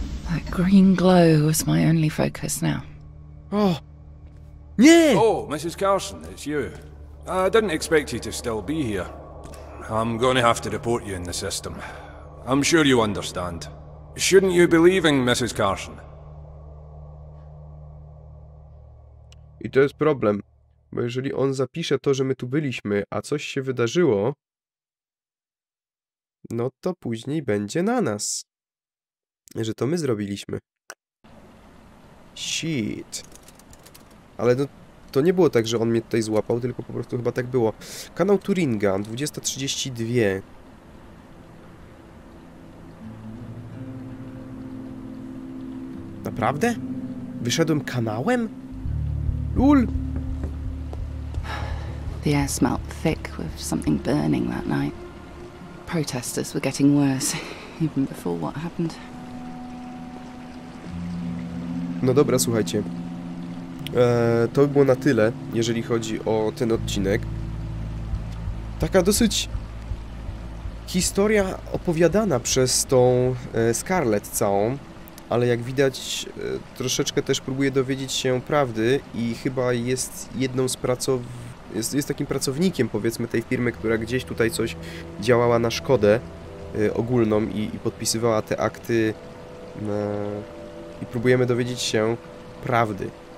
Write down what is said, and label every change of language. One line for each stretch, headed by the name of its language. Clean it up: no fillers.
English: That green glow was my only focus now.
Polish: Oh, nie!
English: Oh, Mrs. Carson, it's you. I didn't expect you to still be here. I'm gonna have to report you in the system. I'm sure you understand. Shouldn't you be leaving, Mrs. Carson?
Polish: I to jest problem, bo jeżeli on zapisze to, że my tu byliśmy, a coś się wydarzyło, no to później będzie na nas, że to my zrobiliśmy. Shit. Ale no, to nie było tak, że on mnie tutaj złapał, tylko po prostu chyba tak było. Kanał Turinga, 20:32. Naprawdę? Wyszedłem kanałem? Lul.
English: The air smelt thick with something burning that night. Protesters were getting worse, even before what happened.
Polish: No dobra, słuchajcie. To by było na tyle, jeżeli chodzi o ten odcinek. Taka dosyć historia opowiadana przez tą Scarlett całą. Ale jak widać, troszeczkę też próbuje dowiedzieć się prawdy i chyba jest jedną z jest takim pracownikiem, powiedzmy, tej firmy, która gdzieś tutaj coś działała na szkodę ogólną i podpisywała te akty i próbujemy dowiedzieć się prawdy.